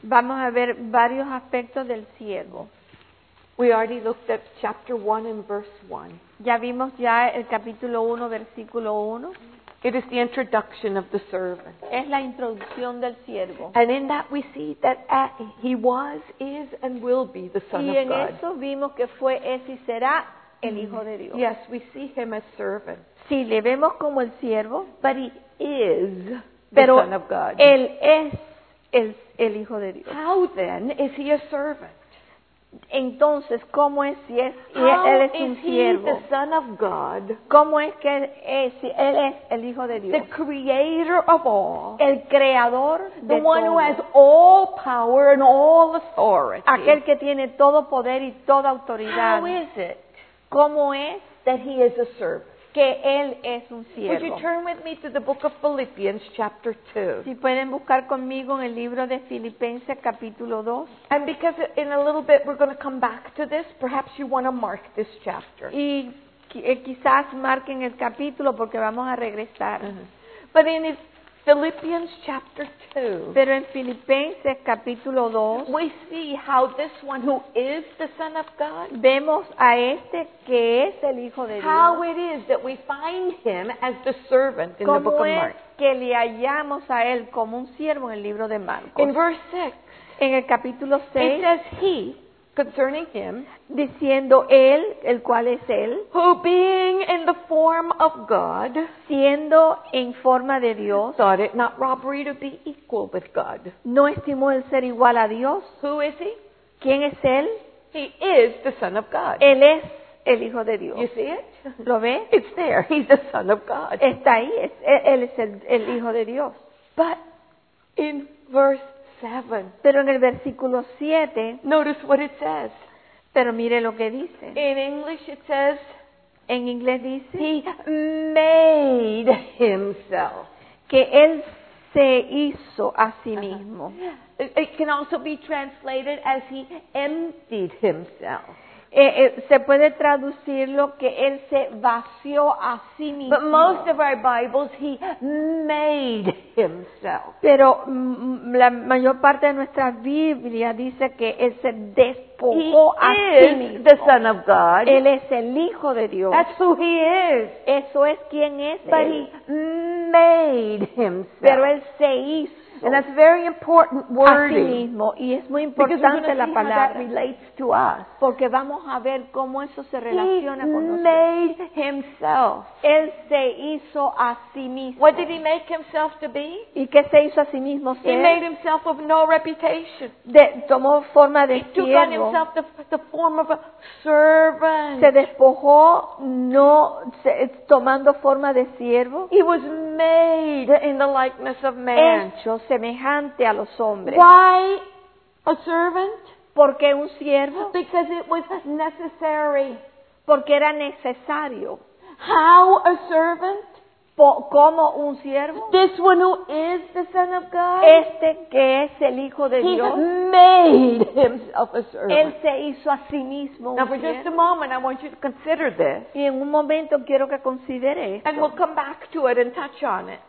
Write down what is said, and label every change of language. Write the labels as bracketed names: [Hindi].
[Spanish] Vamos a ver varios aspectos del siervo. [English] We already looked at chapter 1 and verse 1. [Spanish] Ya vimos ya el capítulo 1, versículo 1. [English] It is the introduction of the servant. [Spanish] Es la introducción del siervo. [English] And in that we see that he was, is, and will be the Son of God. [Spanish] Y en eso vimos que fue, es y será el Hijo de Dios. [English] Yes, we see him as servant. [Spanish] Sí, le vemos como el siervo. [English] But he is [Spanish] pero [English] the Son of God. [Spanish] Él es el Hijo de Dios. [English] How then is he a servant? [Spanish] Entonces, ¿cómo es si es, él es un siervo? [English] The Son of God, [Spanish] ¿cómo es que si él es el Hijo de Dios? [English] The creator of all, [Spanish] el creador [English] the [Spanish] de [English] one [Spanish] todo. [English] Who has all power and all authority. [Spanish] Aquel que tiene todo poder y toda autoridad. [English] How is it, [Spanish] ¿cómo es [English] that he is a servant? [Spanish] Que él es un siervo. [English] Would you turn with me to the book of Philippians, chapter 2? [Spanish] Si pueden buscar conmigo en el libro de Filipenses, capítulo 2. [English] And because in a little bit we're going to come back to this, perhaps you want to mark this chapter. [Spanish] Y quizás marquen el capítulo porque vamos a regresar. [English] Mm-hmm. But in Philippians, chapter 2. [Spanish] Pero en Filipenses, capítulo 2. [English] We see how this one who is the Son of God. [Spanish] Vemos a este que es el Hijo de Dios. [English] How it is that we find him as the servant in the book of Mark. [Spanish] ¿Cómo es que le hallamos a él como un siervo en el libro de Marcos? [English] In verse 6. [Spanish] En el capítulo 6. [English] It says he, concerning him. [Spanish] Diciendo él, el cual es él. [English] Who being in the form of God. [Spanish] Siendo en forma de Dios. [English] Thought it not robbery to be equal with God. [Spanish] No estimó el ser igual a Dios. [English] Who is he? [Spanish] ¿Quién es él? [English] He is the Son of God. [Spanish] Él es el Hijo de Dios. [English] You see it? [Spanish] ¿Lo ve? [English] It's there. He's the Son of God. [Spanish] Está ahí. Él es el Hijo de Dios. [English] But in verse 7. [Spanish] Pero en el versículo 7, [English] notice what it says. [Spanish] Pero mire lo que dice. [English] In English it says, [Spanish] En inglés dice, [English] he made himself. [Spanish] Que él se hizo a sí mismo. [English] It can also be translated as he emptied himself. [Spanish] Se puede traducirlo que él se vació a sí mismo. [English] But most of our Bibles, he made himself. [Spanish] Pero la mayor parte de nuestra Biblia dice que él se despojó a sí mismo. [English] He is the Son of God. [Spanish] Él es el Hijo de Dios. [English] That's who he is. [Spanish] Eso es quién es. [English] But [Spanish] él. [English] He made himself. [Spanish] Pero él se hizo. [English] And that's very important wording. [Spanish] Así mismo, y es muy importante la palabra. [English] Because we're going to see how that relates to us. [Spanish] Porque vamos a ver cómo eso se relaciona [English] he [Spanish] con nosotros. [English] He made himself. [Spanish] Él se hizo a sí mismo. [English] What did he make himself to be? [Spanish] ¿Y qué se hizo a sí mismo ser? [English] He made himself of no reputation. [Spanish] Tomó forma de siervo. [English] He took on himself the form of a servant. [Spanish] Se despojó, tomando forma de siervo. [English] He was made in the likeness of man. [Spanish] Semejante a los hombres. [English] Why a servant? [Spanish] ¿Por qué un siervo? [English] Because it was necessary. [Spanish] Porque era necesario. [English] How a servant? [Spanish] ¿Cómo un siervo? [English] This one who is the Son of God. [Spanish] Este que es el Hijo de [English] he [Spanish] Dios. [English] He made himself a servant. [Spanish] Él se hizo a sí mismo. [English] Now for just a moment, I want you to consider this. [Spanish] Y en un momento quiero que considere esto. [English] And we'll come back to it and touch on it.